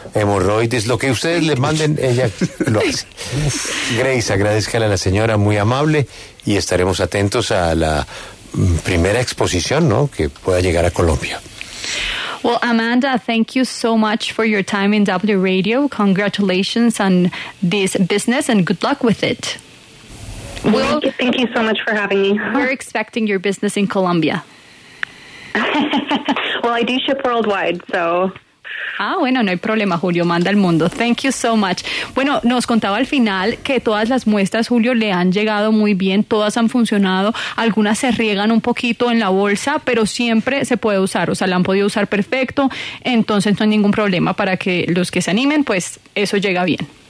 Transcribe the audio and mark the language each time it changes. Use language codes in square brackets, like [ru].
[es] Hemorroides, lo que ustedes le manden, ella lo hace. Grace, agradézcale a la señora, muy amable, y estaremos atentos a la primera exposición, ¿no?, que pueda llegar a Colombia. [en] Well, Amanda, thank you so much for your time in W Radio. Congratulations on this business and good luck with it. Thank you so much for having me. We're expecting your business in Colombia. Well, I do ship worldwide, so... [es] Ah, bueno, no hay problema, Julio, manda al mundo. [en] Thank you so much. [es] Bueno, nos contaba al final que todas las muestras, Julio, le han llegado muy bien, todas han funcionado, algunas se riegan un poquito en la bolsa, pero siempre se puede usar, o sea, la han podido usar perfecto, entonces no hay ningún problema para que los que se animen, pues eso llega bien.